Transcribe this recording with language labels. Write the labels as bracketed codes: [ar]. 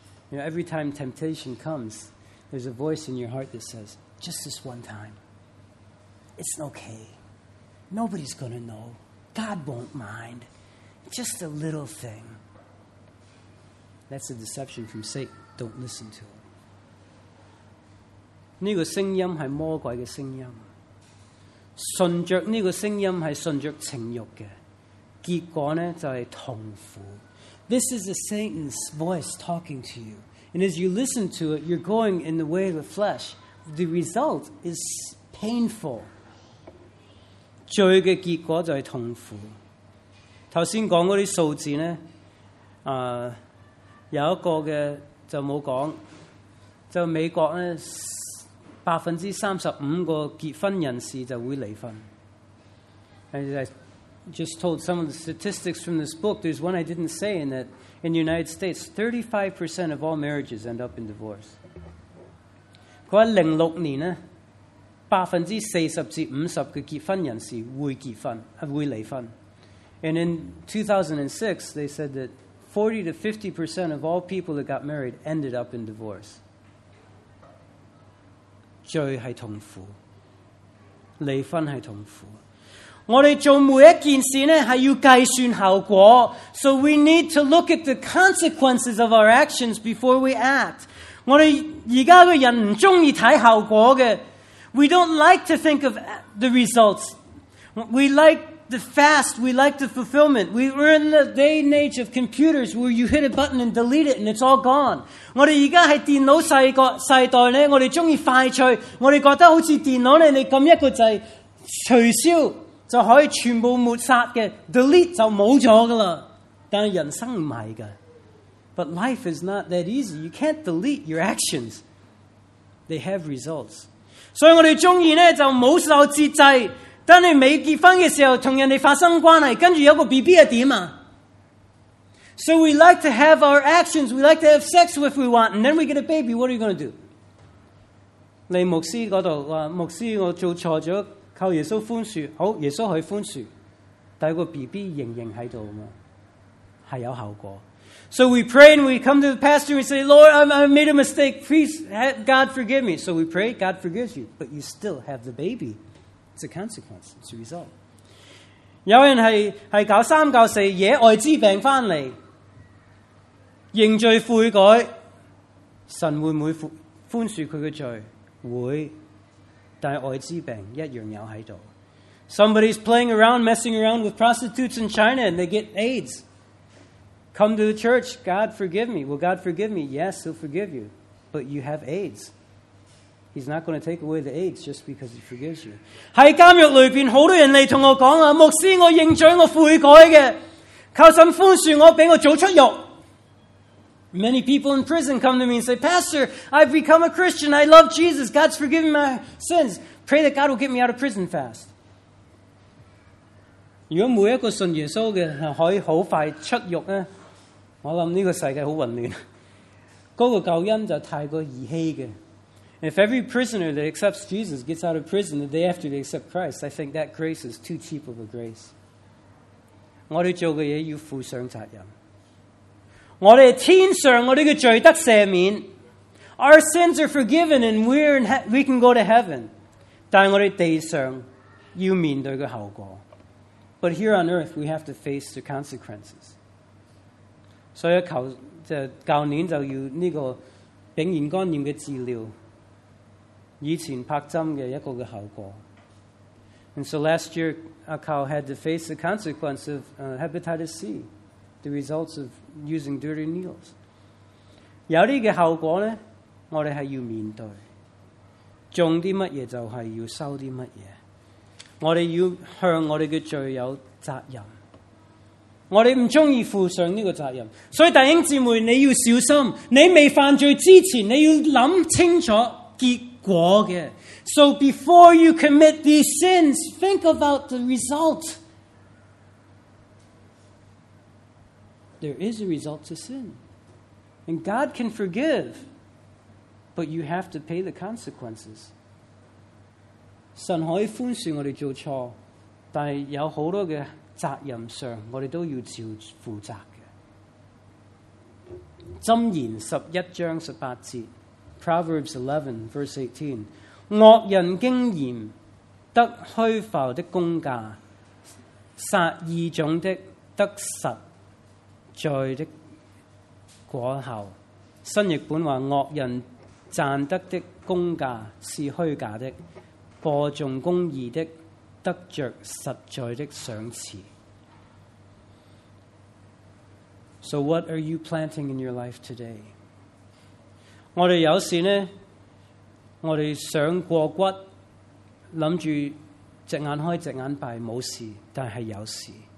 [en] You know, every time temptation comes, there's a voice in your heart that says, just this one time. It's okay. Nobody's going to know. God won't mind. Just a little thing. That's a deception from Satan. Don't listen to it. [zh] 这个声音是魔鬼的声音，顺着这个声音是顺着情欲的，结果呢就是痛苦。 [en] This is a Satan's voice talking to you, and as you listen to it, you're going in the way of the flesh. The result is painful. [zh] 罪的结果就是痛苦。刚才讲的那些数字呢，有一个的就没讲，就美国呢35%的结婚人士就会离婚。 [en] And as I just told some of the statistics from this book, there's one I didn't say, in that in the United States, 35% of all marriages end up in divorce. [zh] 他在2006年呢，40%-50% 的结婚人士会结婚，会离婚。 [en] And in 2006, they said that 40-50% of all people that got married ended up in divorce. [zh] 罪是痛苦，离婚是痛苦。我们做每一件事呢，是要计算后果。 [en] So we need to look at the consequences of our actions before we act. [zh] 我们现在的人不喜欢看后果的。 [en] We don't like to think of the results. We like the fast. We like the fulfillment. We were in the day and age of computers where you hit a button and delete it and it's all gone. [zh] 我们现在是电脑世代呢，我们喜欢快脆，我们觉得好像电脑呢，你按一个键取消就可以全部抹杀的， delete 就没了的了。但是人生不是的。 [en] But life is not that easy. You can't delete your actions. They have results. [zh] 所以我们喜欢呢就不要受节制，当你未结婚的时候跟人家发生关系，跟着有个 BB 又怎样？ [en] So we like to have our actions, we like to have sex if we want, and then we get a baby, what are you going to do? [zh] 你牧师那里说，牧师我做错了，靠耶稣宽恕，好，耶稣可以宽恕，但有个 BB 仍然在这里，是有效果。 [en] So we pray and we come to the pastor and we say, Lord, I made a mistake. Please, God, forgive me. So we pray, God forgives you. But you still have the baby. It's a consequence. It's a result. [zh] 有人是搞三搞四，惹艾滋病回来，认罪悔改，神会不会宽恕他的罪？会，但艾滋病一样有在这里。 [en] Somebody's playing around, messing around with prostitutes in China and they get AIDS. Come to the church, God forgive me. Will God forgive me? Yes, He'll forgive you. But you have AIDS. He's not going to take away the AIDS just because He forgives you. [zh] 在监狱里面，很多人来跟我说，牧师，我认罪，我悔改的，求神宽恕我，让我早出狱。 [en] Many people in prison come to me and say, Pastor, I've become a Christian, I love Jesus, God's forgiven my sins. Pray that God will get me out of prison fast. [zh] 如果每一个信耶稣的可以很快出狱，我想这个世界很混乱，那个救恩就太过儿戏的。 [en] If every prisoner that accepts Jesus gets out of prison the day after they accept Christ, I think that grace is too cheap of a grace. [zh] 我们做的事要负上责任，我们天上我们的罪得赦免， [en] Our sins are forgiven and we can go to heaven, [zh] 但我们地上要面对的后果。 [en] But here on earth, we have to face the consequences. [zh] So, 去年就要这个丙型肝炎的治疗，以前拍针的一个后果。 [en] And so last year, Akau had to face the consequence of hepatitis C, the results of using dirty needles. [zh] 有这个后果呢，我们是要面对。种的什么就是要收的什么。我们要向我们的罪有责任，我们不喜欢负上这个责任。所以弟兄姊妹，你要小心，你未犯罪之前，你要想清楚结果的。 [en] So before you commit these sins, think about the result. There is a result to sin, and God can forgive, but you have to pay the consequences. [zh] 神可以宽恕我们做错，但是有很多的责任上我们都要照负责的。箴言11:18 [en] Proverbs 11:18 [zh] 恶人经言得虚浮的工价，杀义种的得实罪的果效。新译本说恶人賺得的工價是虛假的，播種公義的得著實在的賞賜。 [en] So what are you planting in your life today? [zh] 我們有時呢，我們想過骨，想著隻眼開隻眼閉沒事，但是有事。